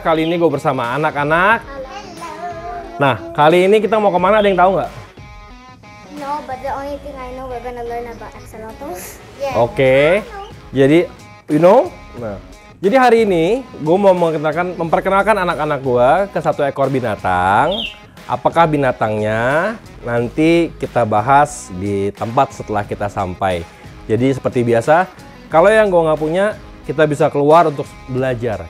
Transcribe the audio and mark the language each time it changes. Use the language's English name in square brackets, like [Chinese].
[Indonesian] Kali ini gue bersama anak-anak. [English] Hello. [Indonesian] Nah, kali ini kita mau kemana? Ada yang tahu nggak? [English] No, but the only thing I know we're gonna learn about axolotls. Yeah. Oke. Okay. Jadi, you know? [Indonesian] Nah, jadi hari ini gue mau memperkenalkan anak-anak gue ke satu ekor binatang. Apakah binatangnya? Nanti kita bahas di tempat setelah kita sampai. Jadi seperti biasa, kalau yang gue nggak punya, kita bisa keluar untuk belajar.